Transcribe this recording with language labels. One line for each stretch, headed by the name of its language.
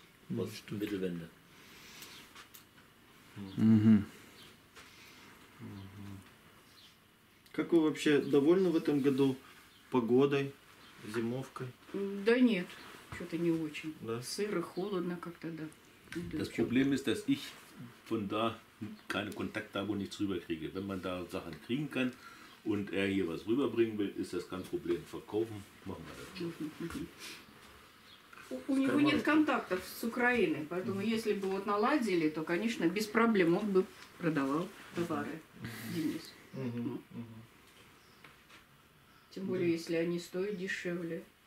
Russian: Вот что бельвенда. Угу. Как вы вообще довольны в этом году погодой, зимовкой? Да нет, что-то не очень. Да? Сыро, холодно как-то, да.
German: Das Problem ist, dass ich von da keine Kontakte habe und nichts rüberkriege. Wenn man da Sachen kriegen kann und er hier was rüberbringen will, ist das kein Problem. Verkaufen, machen wir das schon.
Russian: У него нет контактов с Украиной, поэтому если бы вот наладили, то, конечно, без проблем он бы продавал товары, Денис. Тем более, если они стоят дешевле.